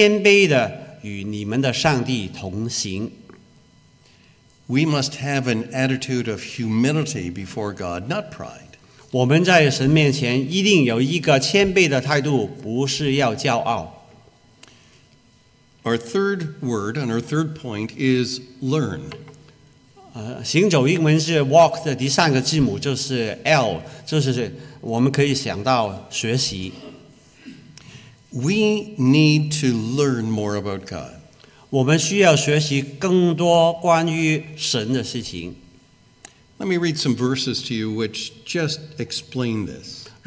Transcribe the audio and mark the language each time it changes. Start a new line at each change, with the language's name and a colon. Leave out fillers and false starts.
Chinese: 弥迦书第六章第八节这样提醒我们：是人啊，耶和华已经指示你们何为良善，他向你们所要的是什么呢？是要你们行公义、好怜悯、谦卑的与你们的上帝同行。
English: We must have an attitude of humility before God, not pride.
Chinese: 我们在神面前一定有一个谦卑的态度，不是要骄傲。
English: Our third word and our third point is learn.
Chinese: 行走英文是walk的第三个字母就是 L， 就是我们可以想到学习。
English: We need to learn more about God.
Chinese: 我们需要学习更多关于神的事情。
English: Let me read some verses to you which just explain this.